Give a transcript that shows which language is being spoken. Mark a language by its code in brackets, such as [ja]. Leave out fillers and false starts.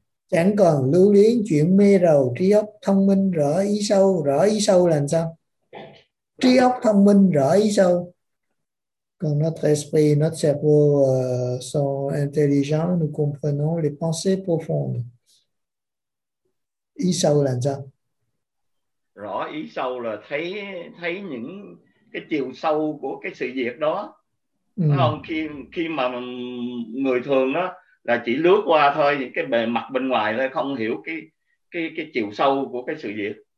[vi] Chẳng còn lưu luyến chuyện mê rầu, trí óc thông minh rõ ý sâu là sao? Trí óc thông minh rõ ý sâu. [fr] Quand notre esprit, notre cerveau sont intelligents, nous comprenons les pensées profondes. [vi] Ý sâu là sao? Rõ ý sâu là thấy những cái chiều sâu của cái sự việc đó. Khi mà người thường đó, là chỉ lướt qua thôi, những cái bề mặt bên ngoài thôi, không hiểu cái chiều sâu của cái sự việc.